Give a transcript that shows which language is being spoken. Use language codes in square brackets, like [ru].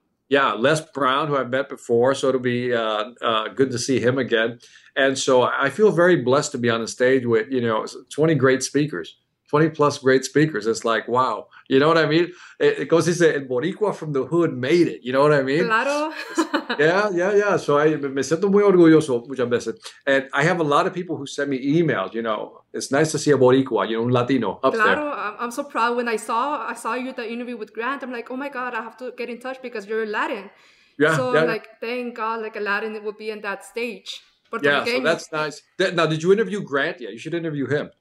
[en] Yeah, Les Brown, who I've met before. So it'll be good to see him again. And so I feel very blessed to be on the stage with, you know, 20 great speakers, 20 plus great speakers. It's like, wow. You know what I mean? It goes, he said, Boricua from the hood made it. You know what I mean? [es] Claro. [en] Yeah. So I [es] me siento muy orgulloso muchas veces. [en] And I have a lot of people who send me emails. You know, it's nice to see a Boricua, you know, un Latino up [es] claro, [en] there. Claro. I'm so proud. When I saw you at the interview with Grant, I'm like, oh my God, I have to get in touch because you're Latin. Yeah. So yeah. I'm like, thank God, like a Latin will be in that stage. Yeah, so that's nice. Now, did you interview Grant? Yeah, you should interview him.